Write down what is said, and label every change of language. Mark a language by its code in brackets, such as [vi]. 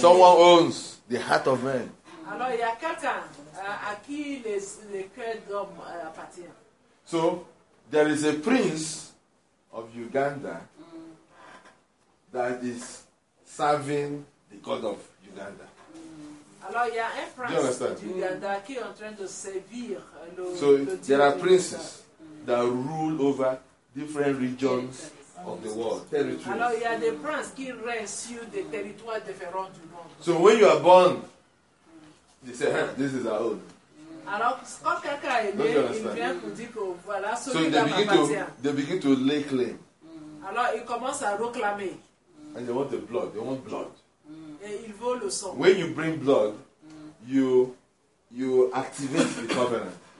[en] Someone owns the heart of man. [fr] Alors, il y a quelqu'un. À qui le cœur d'homme appartient. [en] So, there is a prince of Uganda that is serving the God of Uganda. [fr] Alors, il y a un prince d'Uganda qui est en train de servir le. [en] So, there are princes that rule over different regions of the world, territories. [fr] Alors, il y a des princes qui règnent sur des territoires différents du monde. [en] So, when you are born, they say, hey, this is our own. [fr] Alors, quand quelqu'un est né, il vient pour dire que voilà, celui so [en] they begin to lay claim. [fr] Alors, ils commencent à réclamer. [en] And they want the blood. They want blood. [fr] Et ils veulent le sang. [en] When you bring blood, you activate the covenant.